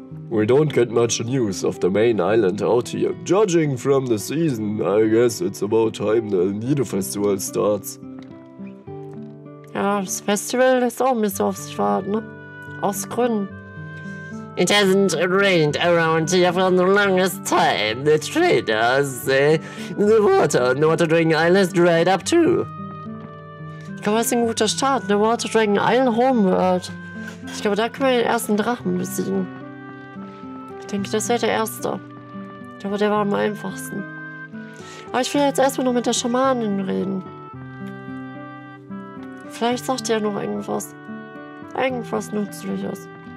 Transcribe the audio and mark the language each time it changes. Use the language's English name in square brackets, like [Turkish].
[English] We don't get much news of the main island out here. Judging from the season, I guess it's about time the El Nido Festival starts. [German] Ja, das Festival lässt auch ein bisschen auf sich warten. Aus Gründen. [English] It hasn't rained around here for the longest time. The traders say the water on the Water Dragon Isle has dried up too. [German] Ich glaube, das ist ein guter Start. The Water Dragon Isle Homeworld. Ich glaube, da können wir den ersten Drachen besiegen. Ich denke, das wäre der erste. Ich glaube, der war am einfachsten. Aber ich will jetzt erstmal noch mit der Schamanin reden. Vielleicht sagt die ja noch irgendwas. Irgendwas Nützliches.